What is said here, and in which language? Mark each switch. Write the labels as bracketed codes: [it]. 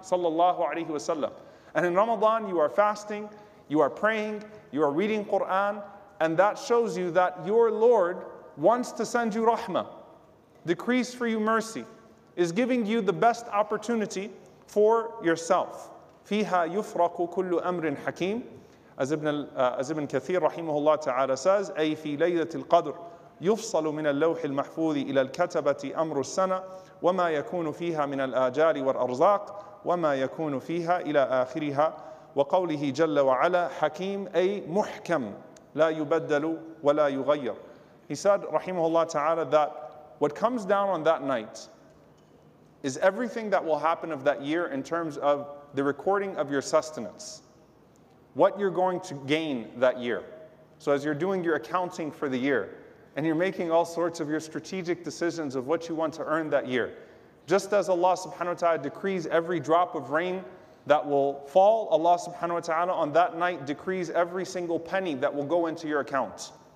[en] And in Ramadan, you are fasting, you are praying, you are reading Quran, and that shows you that your Lord wants to send you rahmah. Decrees for you mercy, is giving you the best opportunity for yourself. [ar] فيها يفرق كل أمر حكيم, [en] as Ibn Kathir rahimahullah ta'ala says, [ar] أي في ليلة القدر يفصل من اللوح المحفوظ إلى الكتبة أمر السنة وما يكون فيها من الآجال والأرزاق وما يكون فيها إلى آخرها وقوله جل وعلا حكيم أي محكم لا يبدل ولا يغير. [en] He said rahimahullah ta'ala that what comes down on that night is everything that will happen of that year in terms of the recording of your sustenance, what you're going to gain that year. So as you're doing your accounting for the year and you're making all sorts of your strategic decisions of what you want to earn that year, just as Allah subhanahu wa ta'ala decrees every drop of rain that will fall, Allah subhanahu wa ta'ala on that night decrees every single penny that will go into your account.